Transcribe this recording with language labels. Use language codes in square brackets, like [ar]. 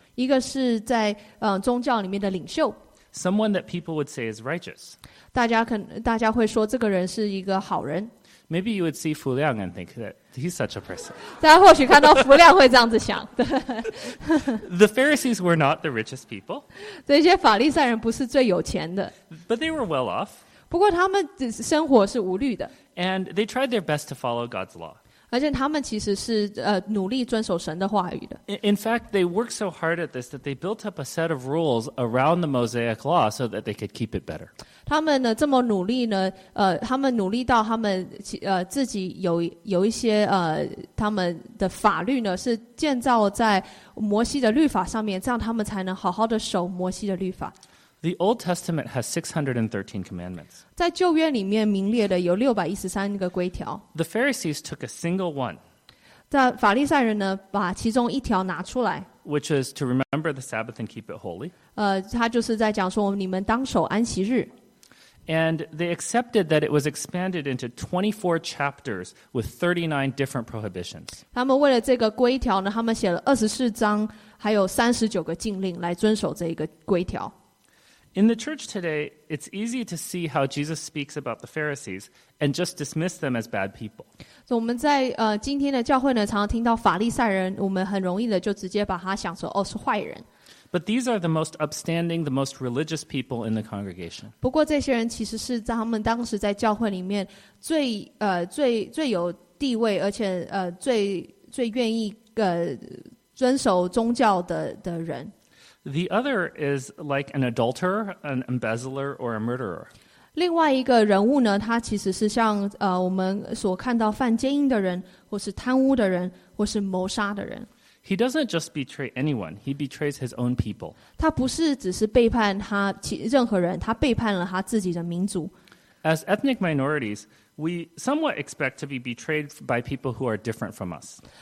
[zh] 一个是在宗教里面的领袖。 [en] someone that people would say is righteous. [zh] 大家会说这个人是一个好人。 [en] Maybe you would see Fu Liang and think that he's such a person. [zh] 大家或许看到福亮会这样子想。 [en] The Pharisees were not the richest people. [zh] 这些法利赛人不是最有钱的。 [en] But they were well off. [zh] 不过他们生活是无虑的。 [en] And they tried their best to follow God's law. [zh] 而且他们其实是努力遵守神的话语的。 [en] In fact, they worked so hard at this that they built up a set of rules around the Mosaic law so that they could keep it better. [zh] 他们呢这么努力呢，他们努力到他们自己有一些他们的法律呢是建造在摩西的律法上面，这样他们才能好好的守摩西的律法。 [en] The Old Testament has 613 commandments. [zh] 在旧约里面名列的有613个规条。 [en] The Pharisees took a single one. [zh] 在法利赛人呢把其中一条拿出来。 [en] Which is to remember the Sabbath and keep it holy. [zh] 他就是在讲说你们当守安息日。 [en] And they accepted that it was expanded into 24 chapters with 39 different prohibitions. [zh] 他们为了这个规条呢，他们写了24章，还有39个禁令来遵守这个规条。 [en] In the church today, it's easy to see how Jesus speaks about the Pharisees and just dismiss them as bad people. [zh] 我们在今天的教会呢，常常听到法利赛人，我们很容易的就直接把他想说，哦，是坏人。 [en] But these are the most upstanding, the most religious people in the congregation. [zh] 不过这些人其实是在他们当时在教会里面最有地位，而且最愿意遵守宗教的人。 [en] The other is like an adulterer, an embezzler, or a murderer. [zh] 另外一个人物呢，他其实是像我们所看到犯奸淫的人，或是贪污的人，或是谋杀的人。 [en] He doesn't just betray anyone; he betrays his own people. [zh] 他不是只是背叛他任何人，他背叛了他自己的民族。 [en] As ethnic minorities, we somewhat expect to be betrayed by people who are different from us.